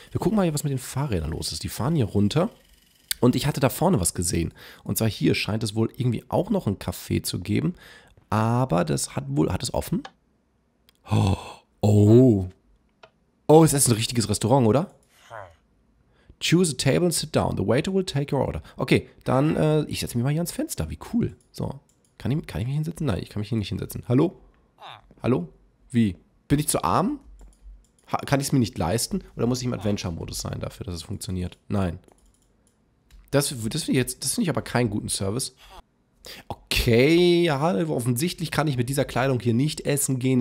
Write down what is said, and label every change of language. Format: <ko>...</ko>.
<de>Wir gucken mal hier, was mit den Fahrrädern los ist. Die fahren hier runter. Und ich hatte da vorne was gesehen. Und zwar hier scheint es wohl irgendwie auch noch ein Café zu geben. Aber das hat wohl, hat es offen? Oh. Oh, es ist ein richtiges Restaurant, oder?</de> <en>Choose a table and sit down. The waiter will take your order.</en> <de>Okay, dann, ich setze mich mal hier ans Fenster. Wie cool. So, kann ich mich hinsetzen? Nein, ich kann mich hier nicht hinsetzen. Hallo? Hallo? Wie? Bin ich zu arm? Kann ich es mir nicht leisten? Oder muss ich im Adventure-Modus sein dafür, dass es funktioniert? Nein. Das finde ich aber keinen guten Service. Okay, ja, offensichtlich kann ich mit dieser Kleidung hier nicht essen gehen.</de>